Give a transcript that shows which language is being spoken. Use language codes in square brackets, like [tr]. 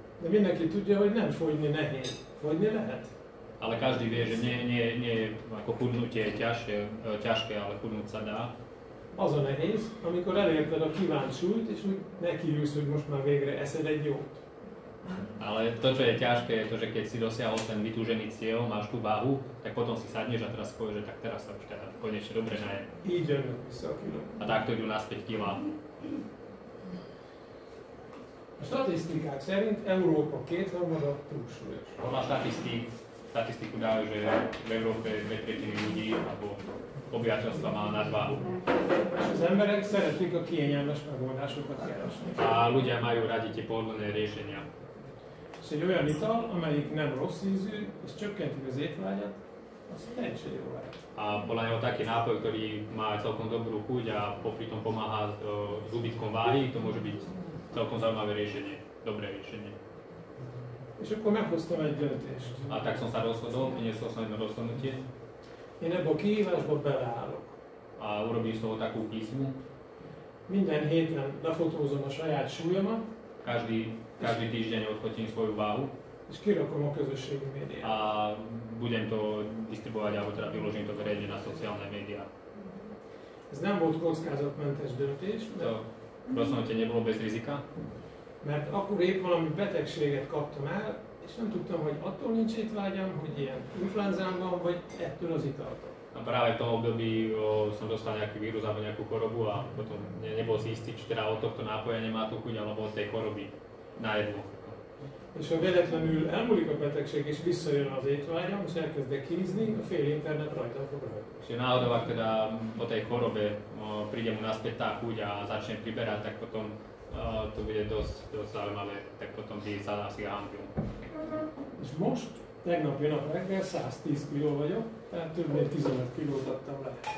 [hu] De mindenki tudja, hogy nem fogyni nehéz. Fogyni lehet. [sk] Ale každý vie, že nie ako chudnutie je ťažké, ale chudnúť sa dá. [hu] Az a nehéz, amikor elérted a kívánt súlyt, és úgy nekihűlsz, hogy most már végre eszed egy jót. [sk] Ale to, čo je ťažké, je to, že keď si dosiahol ten vytúžený cieľ, máš tú váhu, tak potom si sadneš a teraz povieš, že tak teraz sa už teda konečne dobre najem. Idem sa kilo. A takto idú naspäť kilo. [hu] A štatistikák szerint Európa kétharmada túlsúlyos. [sk] Podľa štatistik, štatistiku dajú, že v Európe je 2/3 ľudí alebo obyvateľstva má nadváhu. [hu] Az emberek szeretik a kényelmes megoldásokat keresni. [sk] A ľudia majú radi tie pohodlné riešenia. [hu] És egy olyan ital, amelyik nem rossz ízű, és csökkenti az étvágyat, az teljesen jó lehet. [sk] A podľa neho taký nápoj, ktorý má celkom dobrú chuť a popri tom pomáha s úbytkom váhy, to môže byť celkom zaujímavé riešenie, dobré riešenie. [hu] És akkor meghoztam egy döntést. [sk] A tak som sa rozhodol, priniesol som jedno rozhodnutie. [hu] Én ebből kihívásba beleállok. [sk] A urobím z toho takú písmu. [hu] Minden héten lefotózom a saját súlyomat. [sk] Každý týždeň odfotím svoju váhu. [hu] És kirakom a közösségi médiát. [sk] A budem to distribuovať, alebo teda vyložím to verejne na sociálne médiá. [hu] Ez nem volt kockázatmentes döntés. [sk] To prosím, hogy nebolo bez rizika. [hu] Mert akkor épp valami betegséget kaptam el, és nem tudtam, hogy attól nincs étvágyam, hogy ilyen influenzám van, vagy ettől az italtól. [sk] A práve v tom období som dostal nejaký vírus alebo nejakú chorobu a potom nebol si istý, či teda od tohto nápoja nemá tú chuť alebo od tej choroby na jedlo. [hu] És ha véletlenül elmúlik a betegség és visszajön az étvágyam, és elkezde kilizni, a fél internet rajta fog rajta. [sk] Čiže náhodou, ak teda po tej chorobe príde mu naspäť tá chuť a začne priberať, tak potom to bude dosť zaujímavé, tak potom by sa asi hámpil. [hu] És most, tegnap jön a reggel, 110 kg vagyok, tehát több mint 15 kg adtam le.